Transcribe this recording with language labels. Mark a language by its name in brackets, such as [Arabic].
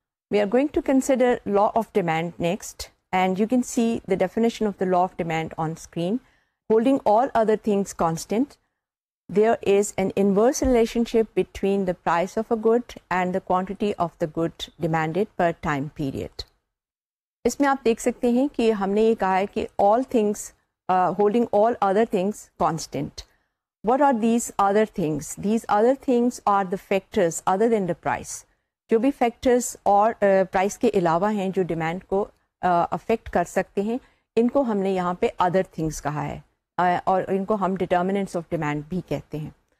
[English] We are going to consider law of demand next, and you can see the definition of the law of demand on screen. Holding all other things constant, there is an inverse relationship between the price of a good and the quantity of the good demanded per time period. [Urdu] اس میں آپ دیکھ سکتے ہیں کہ ہم نے یہ کہا ہے کہ [English] All things holding all other things constant. What are these other things? These other things are the factors other than the price. [Urdu] جو بھی فیکٹرز اور پرائز کے علاوہ ہیں جو ڈیمانڈ کو افیکٹ کر سکتے ہیں, ان کو ہم نے یہاں پہ ادر تھنگس کہا ہے, اور ان کو ہم ڈٹرمیننٹس آف ڈیمانڈ بھی کہتے ہیں.